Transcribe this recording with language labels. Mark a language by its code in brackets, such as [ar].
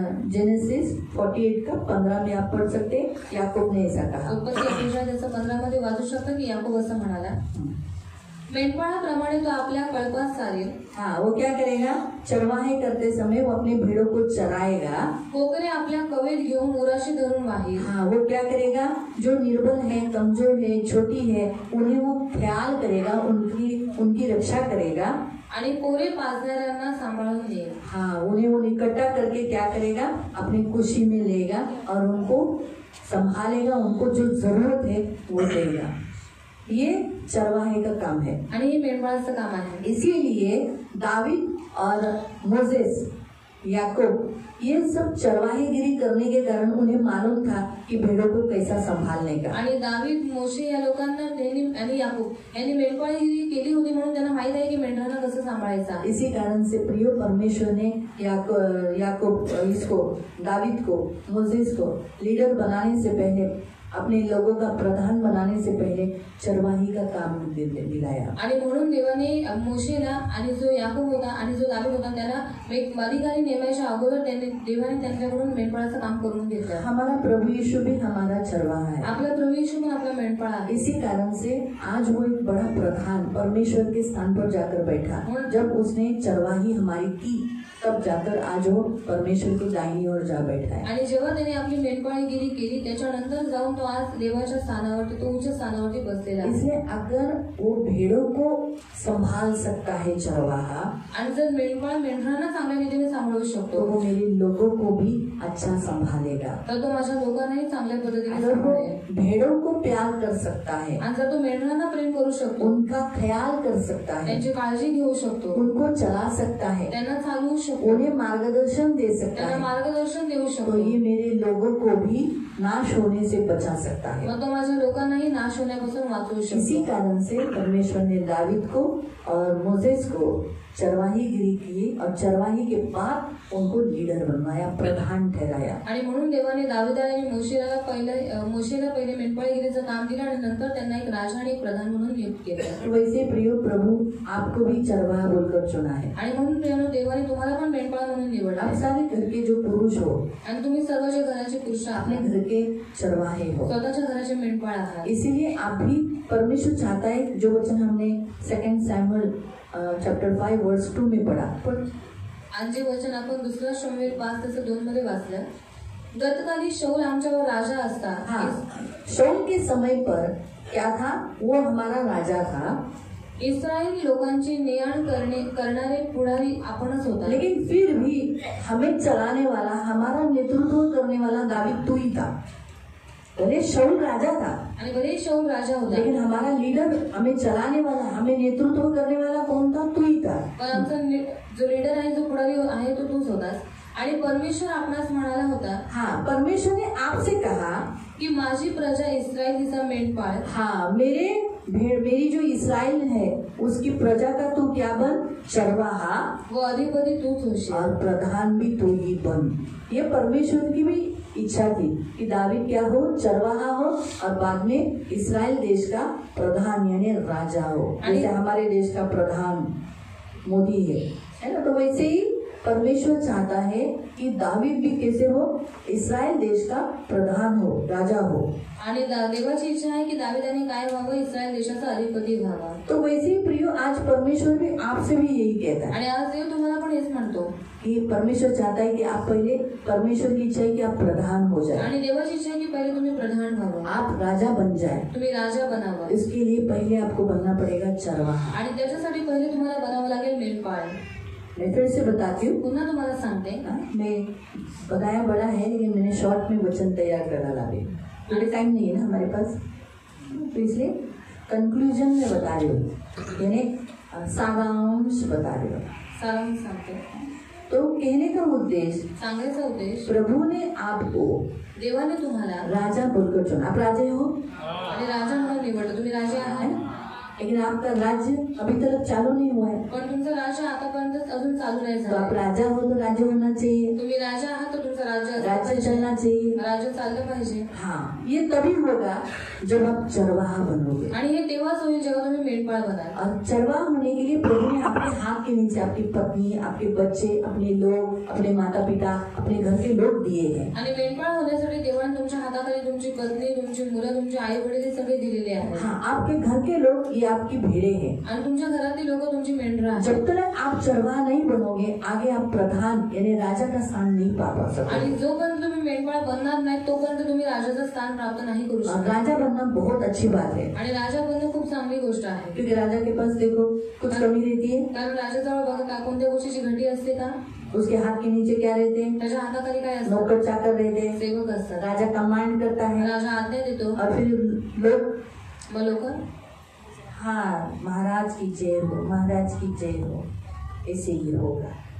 [hi] Genesis 48 का 15 में आप पढ़ सकते हैं, याकूब ने ऐसा कहा। [mr] उत्पत्ति 15 मध्ये वाचू शकता की याकूब असं म्हणाला, मेंढपाळा प्रमाणे तो आपल्या कळपास चालेल। [hi] हाँ, वो क्या करेगा, चरवाहे करते समय वो अपने भेड़ों को चराएगा। [mr] कोकरे आपल्या कवेत घेऊन उराशी धरून वाहील। [hi] हाँ, वो क्या करेगा, जो निर्बल है, कमजोर है, छोटी है, उन्हें वो ख्याल करेगा, उनकी रक्षा करेगा। [mr] आणि कोरे पाजणाऱ्यांना सांभाळून घेईल। [hi] हाँ, उन्हें इकट्ठा करके क्या करेगा, अपनी खुशी में लेगा और उनको संभालेगा, उनको जो जरूरत है वो देगा। ये चरवाहे का काम है, [mr] मेंढपाळाचं काम आहे। [hi] इसीलिए दाविद और मोसेस, याकूब, ये सब चरवाहेगिरी करने के कारण उन्हें मालूम था कि भेड़ों को कैसा संभालने का। [mr] आणि दाविद, मोशे या लोकांना नेहमी, आणि याकूब यांनी मेंढपाळगिरी केली होती म्हणून त्यांना माहित आहे की मेंढरांना कसं सांभाळायचं। [hi] इसी कारण से प्रिय परमेश्वर ने याकूब इसको, दाविद को, मोसेस को लीडर बनाने से पहले, अपने लोगों का प्रधान बनाने से पहले चरवाही का काम दिलाया। [mr] आणि म्हणून देवाने मोशेला आणि जो याकूब होता आणि जो दाविद होता त्यांना एक अधिकारी नेमायच्या अगोदर देवाने त्यांच्याकडून मेंढपाळाचं काम करून घेतलं। [hi] हमारा प्रभु येशू भी हमारा चरवाहा [mr] आहे। आपला प्रभु येशू पण आपला मेंढपाळ आहे। [hi] इसी कारण से आज वो एक बड़ा प्रधान परमेश्वर के स्थान पर जाकर बैठा। जब उसने चरवाही हमारी की, तब जाकर आज वो परमेश्वर की दाहिनी ओर जा बैठा है। [mr] आणि जेव्हा त्याने आपली मेंढपाळगिरी केली त्याच्यानंतर जाऊन तो आज देवाच्या स्थानावरती, तो उच्च स्थानावरती बसलेला आहे। [hi] इसलिए अगर वो भेड़ों को संभाल सकता है चरवाहा, [mr] आणि जर मेंढपाळ मेंढरांना चांगल्या रीतीने सांभाळू शकतो, [hi] तो वो मेरे लोगों को भी अच्छा संभालेगा। [mr] तर तो माझ्या लोकांनाही चांगल्या पद्धतीने, [hi] अगर वो भेड़ों को प्यार कर सकता है, [mr] आणि जर तो मेंढरांना प्रेम करू शकतो, [hi] उनका ख्याल कर सकता है, [mr] त्यांची काळजी घेऊ शकतो, [hi] उनको चला सकता है, [mr] त्यांना चालू [hi] उन्हें मार्गदर्शन दे सकता है, [mr] मार्गदर्शन देऊ शकतो, [hi] ये मेरे लोगों को भी नाश होने से बचा सकता है, [mr] तो माझ्या लोकांनाही नाश होण्यापासून वाचवू शकतो। [hi] इसी कारण से परमेश्वर ने दाविद को और मोसेस को चरवाही गिरी की और चरवाही के बाद उनको लीडर बनवाया, प्रधान ठहराया। [mr] आणि म्हणून देवाने दाविदा आणि मोशेला पहिले मेंढपाळगिरीचं काम दिलं आणि नंतर त्यांना एक राजा आणि एक प्रधान म्हणून नियुक्त केलं। [hi] वैसे प्रिय प्रभु आपको भी चरवाहा बोलकर चुना है। [mr] आणि म्हणून प्रियानो देवाने तुम्हाला पण मेंढपाळ म्हणून निवडलं। [hi] आप सारे घर के जो पुरुष हो, [mr] आणि तुम्ही सर्व जे घराचे पुरुष, [hi] आपले घर के चरवाहे हो, [mr] स्वतःच्या घराचे मेंढपाळ आहात। [hi] इसीलिए आप भी परमेश्वर चाहता है, जो वचन हमने 2 सॅम्युएल चैप्टर 5:2 में पढ़ा, [mr] पण आज वचन आपण दुसरा शमूएल 5:2 मध्ये वाचलं। गतकाली शौल आमच्यावर राजा असता, [hi] हाँ, शौल के समय पर क्या था, वो हमारा राजा था, [mr] इस्राएल लोकांची नियाण करणारे पुढारी आपणच होता, [hi] लेकिन फिर भी हमें चलाने वाला, हमारा नेतृत्व करने वाला दाविद तू ही था। बड़े शौल राजा था, [mr] आणि बड़े शौल राजा होता, [hi] लेकिन हमारा लीडर, हमें चलाने वाला, हमें नेतृत्व करने वाला कौन था, तू ही था। [mr] जो लीडर आहे, जो पुढारी आहे, तो तूच होतास। आणि परमेश्वर आपणास म्हणाला होता, [hi] हाँ, परमेश्वर ने आपसे कहा [mr] कि माझी प्रजा इस्राएल हिचा मेंढपाळ, [hi] हाँ, मेरे भेड़, मेरी जो इस्राएल है उसकी प्रजा का तू क्या बन, चरवाहा, [mr] वो अधिपति तूच होशील [hi] और प्रधान भी तू ही बन। ये परमेश्वर की भी इच्छा थी कि दाविद क्या हो, चरवाहा हो और बाद में इस्राएल देश का प्रधान यानी राजा हो, जैसे हमारे देश का प्रधान मोदी है ना, तो वैसे ही परमेश्वर चाहता है कि दाविद भी कैसे हो, इस्राएल देश का प्रधान हो, राजा हो। [mr] आणि देवाची इच्छा आहे की दाविदाने काय व्हावं, इस्राएल देशाचा अधिपती व्हावा। [hi] तो वैसे ही प्रियो आज परमेश्वर भी आपसे भी यही कहता है। [mr] आणि आज देव तुम्हाला पण हेच म्हणतो [hi] की परमेश्वर चाहता है की आप पहिले, परमेश्वर की इच्छा [mr] आहे [hi] की आप प्रधान हो जाए। [mr] आणि देवाची इच्छा आहे की पहिले तुम्ही प्रधान व्हावा, [hi] आप राजा बन जाए, [mr] तुम्ही राजा बनावा। [hi] इसके लिए पहिले आपको बनना पड़ेगा चरवाहा, [mr] आणि त्याच्यासाठी पहिले तुम्हाला बनावं लागेल मेंढपाळ। [hi] मैं फिर से बताती हूँ, [mr] पुनः तुम्हारा सांगते हैं, [hi] मैं बताया बड़ा है लेकिन मैंने शॉर्ट में वचन तैयार करा ला भी, थोड़े टाइम नहीं है ना हमारे पास, इसलिए कंक्लूजन में बता रही हूँ, यानी सारांश बता रही हूँ। [mr] सारांश सांगते, [hi] तो कहने का उद्देश्य, [mr] सांगायचा उद्देश्य, [hi] प्रभु ने आपको, [mr] देवाने तुम्हाला [hi] राजा बोलकर चुना, आप राजे हो, [mr] राजा म्हणून निवडलं, तुम्ही राजे आहात, [hi] लेकिन आपका राज्य अभी तक चालू नहीं हुआ है। [mr] पर तुमचा राज्य आतापर्यंत अजून चालू नाही झाला। [hi] तो आप राजा हो तो राज्य होना चाहिए। [mr] तुम्ही राजा आहात तो तुमचा [hi] राज्य चालना चाहिए। [mr] राज्य चालले पाहिजे। [hi] हाँ, ये तभी होगा जब आप चरवाहा बनोगे। [mr] आणि हे तेव्हाच होईल जेव्हा तुम्ही मेंढपाळ बनाल। [hi] चरवाहा होने के लिए प्रभु ने आपके हाथ के नीचे आपकी पत्नी, आपके बच्चे, अपने लोग, अपने माता पिता, अपने घर के लोग दिए है। [mr] आणि मेंढपाळ होण्यासाठी देवाने तुमच्या हाताखाली तुमची पत्नी, तुमची मुले, तुमचे आई वडील सगळे दिलेले आहेत। [hi] हाँ, आपके घर के लोग आपकी भेड़े हैं। [mr] आणि तुमच्या घरातील लोक तुमची मेंढरा। [hi] जब तक आप चरवाहा नहीं बनोगे आगे आप प्रधान यानी राजा का स्थान नहीं पा सकते। [mr] आणि जोपर्यंत तुम्ही मेंढपाळ बनणार नाही तोपर्यंत तुम्ही राजाचं स्थान प्राप्त नाही करू शकणार। [hi] राजा बनना बहुत अच्छी बात है। [mr] आणि राजा बनणं खूप चांगली गोष्ट आहे। [hi] क्योंकि राजा के पास देखो कुछ कमी रहती है। [mr] कारण राजाजवळ बघा का कोणत्या गोष्टीची घटी असते का। [hi] उसके हाथ के नीचे क्या रहते हैं। [mr] राजा हाथा खाली का [hi] नौकर चाकर रहते हैं। [mr] सेवक असतात। [hi] राजा कमांड करता है। [mr] राजा आज्ञा देतो। [hi] और फिर लोग बलोकर हाँ महाराज की जय हो, महाराज की जय हो, ऐसे ही होगा।